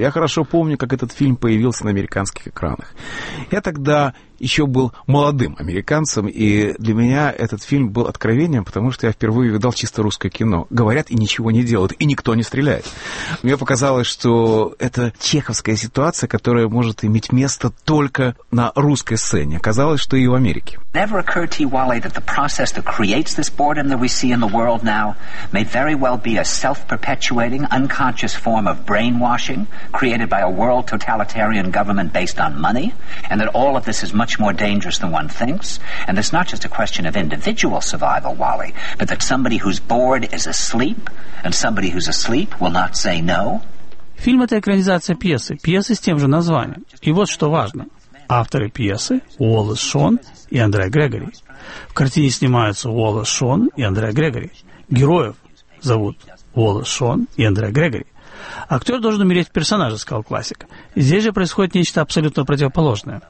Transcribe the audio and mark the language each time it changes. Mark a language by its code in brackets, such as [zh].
[ru] Я хорошо помню, как этот фильм появился на американских экранах. Я тогда еще был молодым американцем, и для меня этот фильм был откровением, потому что я впервые видал чисто русское кино. Говорят и ничего не делают, и никто не стреляет. Мне показалось, что это чеховская ситуация, которая может иметь место только на русской сцене. Оказалось, что и в Америке. [en] Never occurred to Wally that the process that creates this boredom that we see in the world now may very well be a self-perpetuating unconscious form of brainwashing created by a world totalitarian government based on money, and that all of this is much more dangerous than one thinks, and it's not just a question of individual survival, Wally, but that somebody who's bored is asleep, and somebody who's asleep will not say no. [ru] Фильм — это экранизация пьесы, пьесы с тем же названием. И вот что важно. Авторы пьесы — Уоллес Шон и Андре Грегори. В картине снимаются Уоллес Шон и Андре Грегори. Героев зовут Уоллес Шон и Андре Грегори. Актер должен умереть в персонаже, сказал классик. Здесь же происходит нечто абсолютно противоположное.